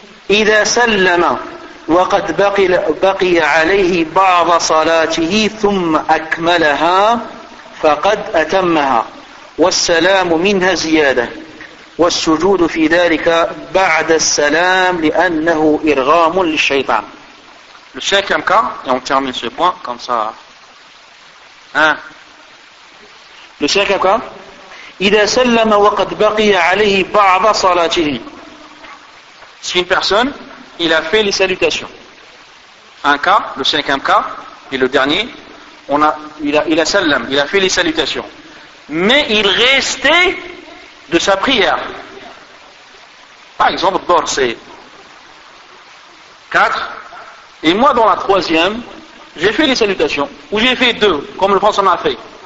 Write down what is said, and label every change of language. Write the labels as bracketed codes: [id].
[ar] إِذَا سَلَّمَ وَقَدْ بَقِيَ عَلَيْهِ بَعْضَ صَلَاتِهِ ثُمَّ أَكْمَلَهَا فَقَدْ أَتَمَّهَا وَالسَّلَامُ مِنْهَا زِيَادَةِ وَالسُّجُودُ فِي ذَلِكَ بَعْدَ السَّلَامِ لِأَنَّهُ إِرْغَامٌ لِلشَّيْطَانِ. [fr] Le cinquième cas, et on termine ce point comme ça... Hein? Le cinquième cas, [ar] إِذَا سَلَّمَ وَقَدْ بَقِيَ عَلَيْهِ بَعْضَ صَلَاتِهِ. [fr] Si une personne, il a fait les salutations. Un cas, le cinquième cas, et le dernier, il a fait les salutations. Mais il restait de sa prière. Par exemple, d'abord c'est 4, et moi dans la troisième, j'ai fait les salutations, ou j'ai fait 2, comme le prince en a fait.